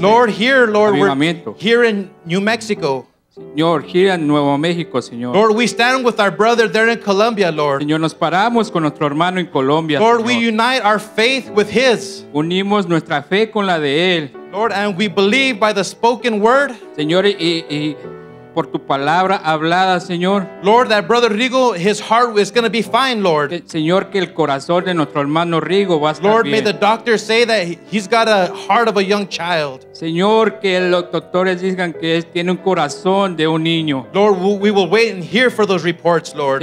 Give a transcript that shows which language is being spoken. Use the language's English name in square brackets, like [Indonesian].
[English] Lord, here, Lord, we're here in New Mexico. [Spanish] Señor, [English] here in [Spanish] Nuevo México, Señor. [English] Lord, we stand with our brother there in Colombia, Lord. [Spanish] Señor, nos paramos con nuestro hermano en Colombia. [English] Lord, [Spanish] Señor. [English] We unite our faith with his. [Spanish] Unimos nuestra fe con la de él. [English] Lord, and we believe by the spoken word. [Spanish] Señor, y por tu palabra hablada, Señor. [English] Lord, that Brother Rigo, his heart is going to be fine, Lord. [Spanish] Señor, que el corazón de nuestro hermano Rigo va a estar [English] Lord, [Spanish] bien. [English] May the doctors say that he's got a heart of a young child. [Spanish] Señor, que los doctores digan que tiene un corazón de un niño. [English] Lord, we will wait and hear for those reports, Lord.